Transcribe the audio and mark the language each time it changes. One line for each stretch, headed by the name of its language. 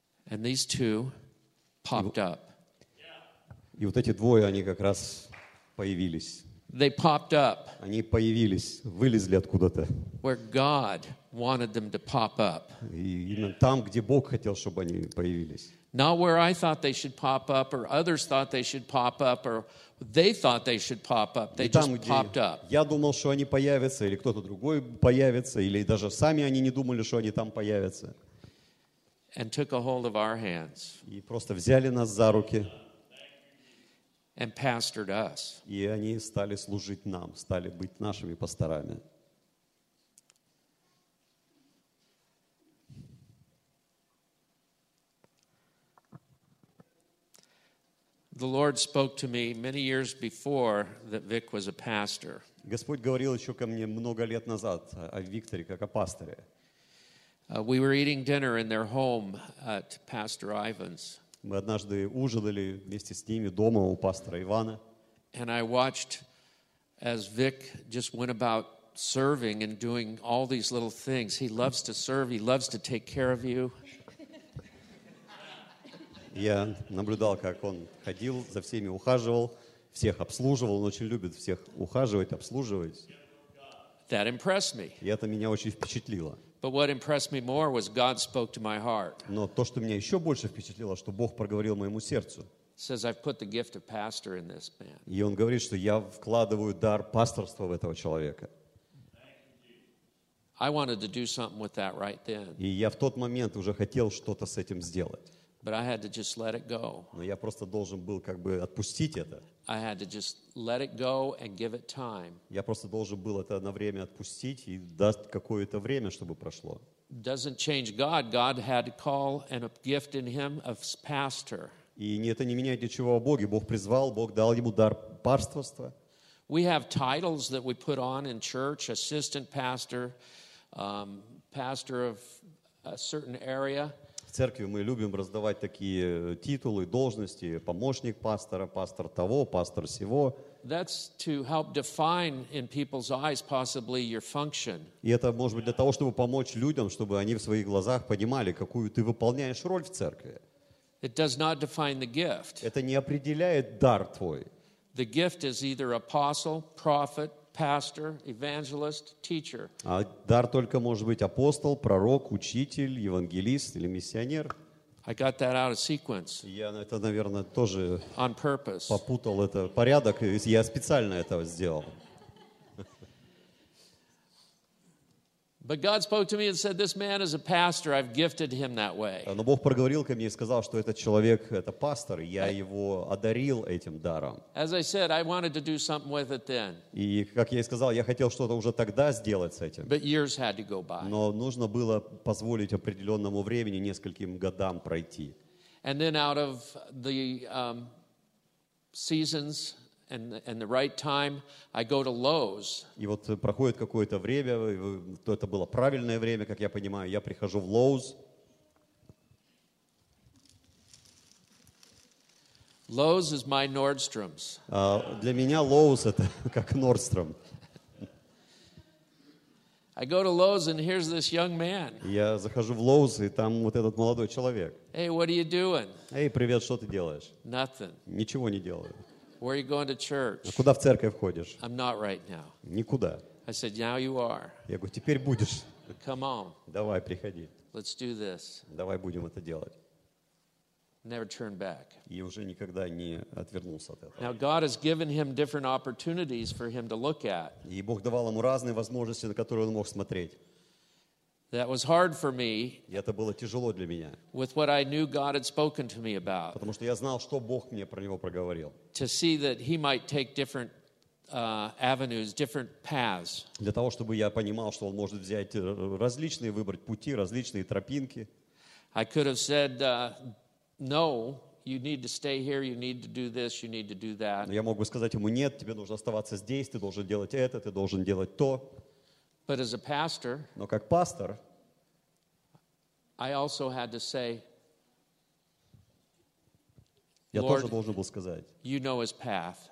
English: And these two popped up.
Russian: И вот эти двое, они как раз появились.
English: They popped up.
Russian: Они появились, вылезли откуда-то.
English: Where God wanted them to pop up.
Russian: И именно там, где Бог хотел, чтобы они появились.
English: Not where I thought they should pop up, or others thought they should pop up, or they thought they should pop up. They
Russian: там,
English: just popped up.
Russian: Я думал, что они появятся, или кто-то другой появится, или даже сами они не думали, что они там появятся.
English: And took a hold of our hands.
Russian: И просто взяли нас за руки.
English: And pastored us.
Russian: И они стали служить нам, стали быть нашими пасторами.
English: The Lord spoke to me many years before that Vic was a pastor.
Russian: Господь говорил еще ко мне много лет назад о Викторе как о пасторе.
English: We were eating dinner in their home at Pastor Ivan's.
Russian: Мы однажды ужинали вместе с ними дома у пастора Ивана.
English: And I watched as Vic just went about serving and doing all these little things. He loves to serve. He loves to take care of you.
Russian: Я наблюдал, как он ходил, за всеми ухаживал, всех обслуживал. Он очень любит всех ухаживать, обслуживать.
English: That impressed me.
Russian: И это меня очень впечатлило.
English: But what impressed me more was God spoke to my heart.
Russian: Но то, что меня еще больше впечатлило, что Бог проговорил моему сердцу.
English: Says I've put the gift of pastor in this man.
Russian: И он говорит, что я вкладываю дар пасторства в этого человека.
English: I wanted to do something with that right then.
Russian: И я в тот момент уже хотел что-то с этим сделать.
English: But I had to just let it go.
Russian: Но я просто должен был как бы отпустить это.
English: I had to just let it go and give it time.
Russian: Я просто должен был это на время отпустить и дать какое-то время, чтобы прошло.
English: Doesn't change God. God had a call and a gift in him of pastor.
Russian: И это не меняет ничего о Боге. Бог призвал, Бог дал ему дар пасторства.
English: We have titles that we put on in church, assistant pastor, pastor of a certain area.
Russian: В церкви мы любим раздавать такие титулы, должности, помощник пастора, пастор того, пастор сего.
English: That's to help define in people's eyes possibly your function.
Russian: И это может быть для того, чтобы помочь людям, чтобы они в своих глазах понимали, какую ты выполняешь роль в церкви.
English: It does not define the gift.
Russian: Это не определяет дар твой.
English: The gift is either apostle, prophet, pastor, evangelist, teacher.
Russian: А дар только может быть апостол, пророк, учитель, евангелист или миссионер.
English: I got that out of sequence.
Russian: Я это, наверное, тоже
English: on purpose.
Russian: Попутал это порядок, и я специально этого сделал.
English: But God spoke to me and said, "This man is a pastor. I've gifted him that way."
Russian: Но Бог проговорил ко мне и сказал, что этот человек это пастор, я его одарил этим даром.
English: As I said, I wanted to do something with it then.
Russian: И как я и сказал, я хотел что-то уже тогда сделать с этим.
English: But years had to go by.
Russian: Но нужно было позволить определенному времени нескольким годам пройти.
English: And then out of the seasons. And the right time, I go to Lowe's.
Russian: И вот проходит какое-то время, то это было правильное время, как я понимаю, я прихожу в Lowe's.
English: Lowe's is my Nordstrom's.
Russian: Для меня Lowe's это как Nordstrom.
English: I go to Lowe's and here's this young man.
Russian: Я захожу в Lowe's и там вот этот молодой человек.
English: Hey, what are you doing?
Russian: Эй, привет, что ты делаешь?
English: Nothing.
Russian: Ничего не делаю.
English: Where are you going to church?
Russian: Куда в церковь ходишь?
English: I'm not right now.
Russian: Никуда.
English: I said, now you are.
Russian: Я говорю, теперь будешь.
English: Come on.
Russian: Давай, приходи.
English: Let's do this.
Russian: Давай будем это делать.
English: Never turn back.
Russian: И уже никогда не отвернулся от этого.
English: Now God has given him different opportunities for him to look at.
Russian: И Бог давал ему разные возможности, на которые он мог смотреть.
English: That was hard for me.
Russian: И это было тяжело для меня.
English: With what I knew God had spoken to me about.
Russian: Потому что я знал, что Бог мне про него проговорил.
English: To see that he might take different avenues, different paths.
Russian: Для того, чтобы я понимал, что он может взять различные, выбрать пути, различные тропинки.
English: I could have said, no, you need to stay here, you need to do this, you need to do that.
Russian: Я мог бы сказать ему, нет, тебе нужно оставаться здесь, ты должен делать это, ты должен делать то.
English: But as a pastor,
Russian: но как пастор,
English: I also had to say,
Russian: я Lord, тоже должен был сказать,
English: you know his path.